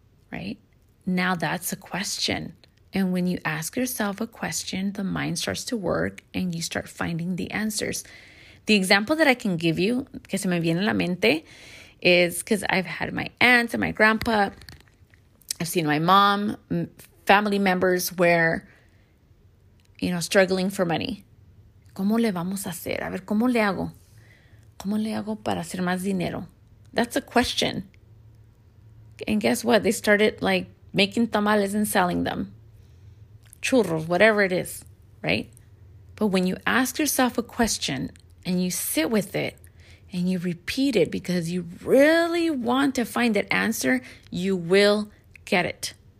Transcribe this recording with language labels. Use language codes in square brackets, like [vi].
[en] Right? Now that's a question. And when you ask yourself a question, the mind starts to work and you start finding the answers. The example that I can give you, [es] que se me viene a la mente, [en] is because I've had my aunts and my grandpa, I've seen my mom, family members where, you know, struggling for money. [es] ¿Cómo le vamos a hacer? A ver, ¿cómo le hago? ¿Cómo le hago para hacer más dinero? [en] That's a question. And guess what? They started like making tamales and selling them. Churros, whatever it is, right? But when you ask yourself a question and you sit with it and you repeat it because you really want to find that answer, you will get it.